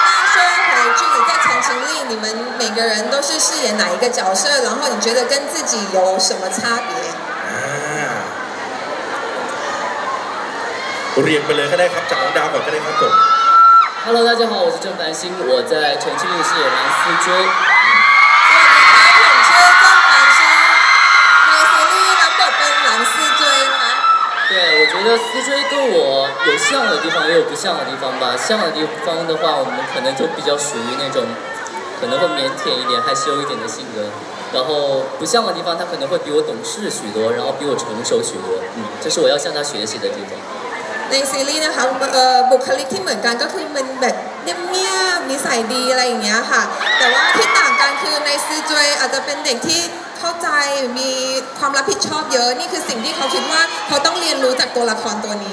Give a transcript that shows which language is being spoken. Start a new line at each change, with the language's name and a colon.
Chinese: 那说回剧里在《陈情令》你们每个人都是饰演哪一个角色然后你觉得跟自己有什么差别
Thai: เรียนไปเลยก็ได้ครับจากดาวก่อนก็ได้ครับผม
Chinese: Hello 大家好我是郑凡星我在《陈情令》饰演蓝思追
Thai: สวัสดีครับผมชื่อ郑凡星ในซีรีส์เราเป็น蓝思追ค่ะ
Chinese: 对我觉得思追跟我有像的地方也有不像的地方吧像的地方的话我们可能就比较属于那种可能会腼腆一点害羞一点的性格然后不像的地方他可能会比我懂事许多然后比我成熟许多这是我要向他学习的地方
Thai: ในซีรีส์นะคะบุคลิกที่เหมือนกันก็คือมันแบบเงียบๆนิสัยดีอะไรอย่างเงี้ยค่ะแต่ว่าที่ต่างกันคือในซีจวยอาจจะเป็นเด็กที่เ ข้าใจมีความรับผิดชอบเยอะนี่คือสิ่งที่เขาคิดว่าเขาต้องเรียนรู้จากตัวละครตัวนี